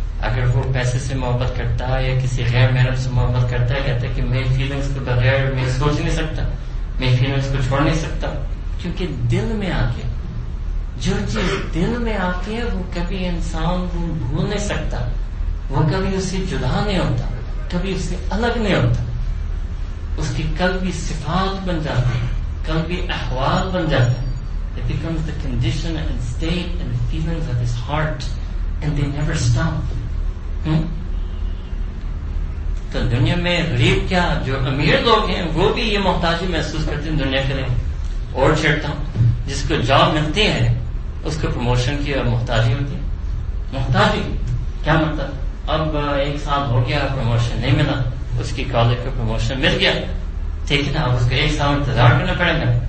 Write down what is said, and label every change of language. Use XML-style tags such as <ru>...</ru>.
<ur>اگر وہ پیسے سے محبت کرتا ہے یا کسی غیر محرم سے محبت کرتا ہے, کہتا ہے کہ میں فیلنگس کے بغیر میں سوچ نہیں سکتا, میں فیلنگس کو چھوڑ نہیں سکتا, کیونکہ دل میں آ گیا. جو چیز دل میں آتی ہے وہ کبھی انسان کو بھول نہیں سکتا, وہ کبھی اسے جدا نہیں ہوتا, کبھی اسے الگ نہیں ہوتا. اس کی قلبی صفات بن جاتی ہے, قلبی احوال بن جاتا ہے.</ur> <en>It becomes the condition and state and feelings of his heart and they never stop.</en> <ur>تو دنیا میں غریب کیا, جو امیر لوگ ہیں وہ بھی یہ محتاجی محسوس کرتے ہیں دنیا کے لیے. اور چھیڑتا ہوں, جس کو جاب ملتی ہے اس کو پروموشن کی اور محتاجی ہوتی ہے. محتاجی کیا مطلب, اب ایک سال ہو گیا پروموشن نہیں ملا, اس کی کالج کو پروموشن مل گیا, ٹھیک ہے نا, اب اس کو ایک سال انتظار کرنا پڑے گا.</ur>